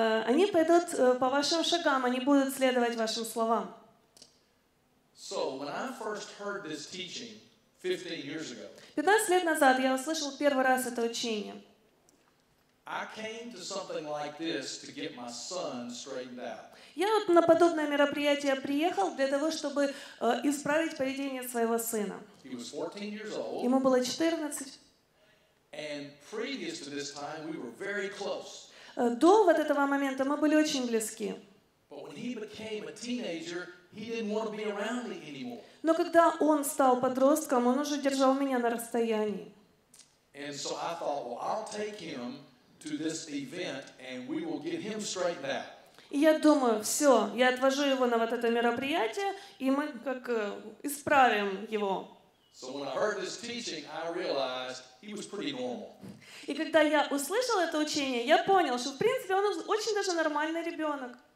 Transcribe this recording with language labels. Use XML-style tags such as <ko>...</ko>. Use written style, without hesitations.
<ru>они пойдут по вашим шагам, они будут следовать вашим словам.</ru> <en>So when I first heard this teaching 15 years ago,</en> <ru>15 лет назад я услышал первый раз это учение.</ru> <en>I came to something like this to get my son straightened out.</en> <ru>Я вот на подобное мероприятие приехал для того, чтобы исправить поведение своего сына.</ru> <en>He was 14 years old.</en> <ru>Ему было 14.</ru> <en>And previous to this time, we were very close.</en> <ru>До вот этого момента мы были очень близки.</ru> <en>But when he became a teenager, he didn't want to be around me anymore.</en> <ru>Но когда он стал подростком, он уже держал меня на расстоянии.</ru> <en>And so I thought, well, I'll take him to this event and we will get him straightened out.</en> <ru>И я думаю, все, я отвожу его на вот это мероприятие, и мы как исправим его.</ru> <en>So when I heard this teaching, I realized he was pretty normal.</en> <ru>И когда я услышал это учение, я понял, что в принципе он очень даже нормальный ребенок.</ru>